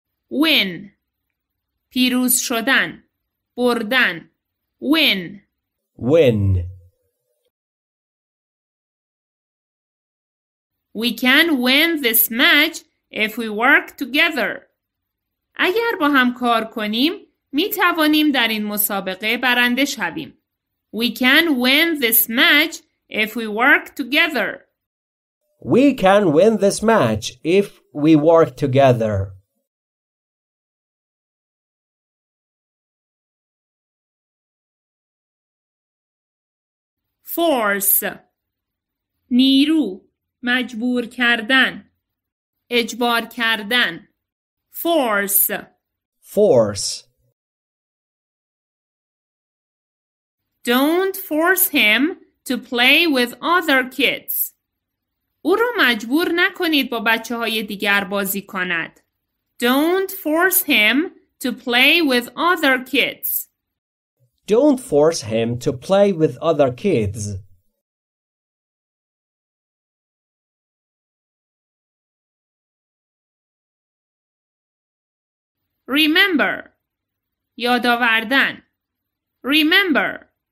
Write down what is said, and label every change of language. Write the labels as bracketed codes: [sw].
[fa] Win. پیروز شدن. بردن. Win. [en] Win. We can win this match if we work together. [fa] اگر با هم کار کنیم می توانیم در این مسابقه برنده شویم. [en] We can win this match if we work together. We can win this match if we work together. [fa] Force. نیرو. مجبور کردن. اجبار کردن. Force. [en] Force. Don't force him to play with other kids. [fa] او رو مجبور نکنید با بچه های دیگر بازی کند. [en] Don't force him to to play with other kids. Don't force him to play with other kids. Remember. یادآوردن. Remember.